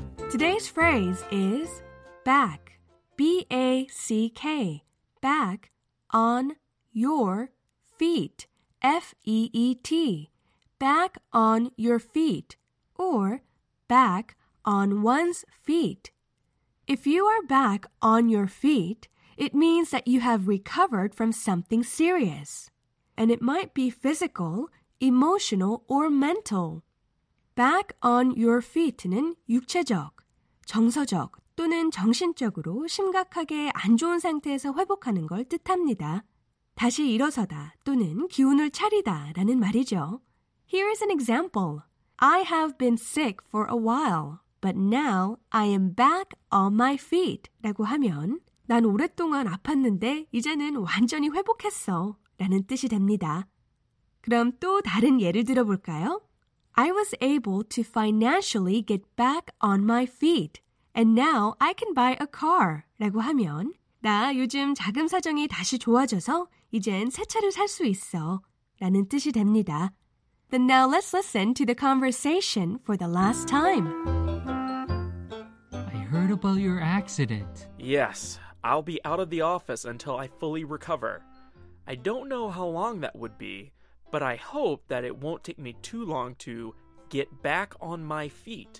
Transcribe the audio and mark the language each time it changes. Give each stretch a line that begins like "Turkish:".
English: 'Today's phrase is back, B-A-C-K, back on your feet, F-E-E-T, back on your feet, or back on one's feet. If you are back on your feet, it means that you have recovered from something serious. And it might be physical, emotional, or mental. Back on your feet
Korean: 는 육체적, 정서적 또는 정신적으로 심각하게 안 좋은 상태에서 회복하는 걸 뜻합니다. 다시 일어서다 또는 기운을 차리다 라는 말이죠.
English: Here is an example. I have been sick for a while, but now I am back on my feet
Korean: 라고 하면 난 오랫동안 아팠는데 이제는 완전히 회복했어 라는 뜻이 됩니다. 그럼 또 다른 예를 들어볼까요?
English: I was able to financially get back on my feet, and now I can buy a car
Korean: 라고 하면 나 요즘 자금 사정이 다시 좋아져서 이젠 새 차를 살 수 있어 라는 뜻이 됩니다.
English: Then now let's listen to the conversation for the last time. I heard about your accident. Yes, I'll be out of the office until I fully recover. I don't know how long that would be, but I hope that it won't take me too long to get back on my feet.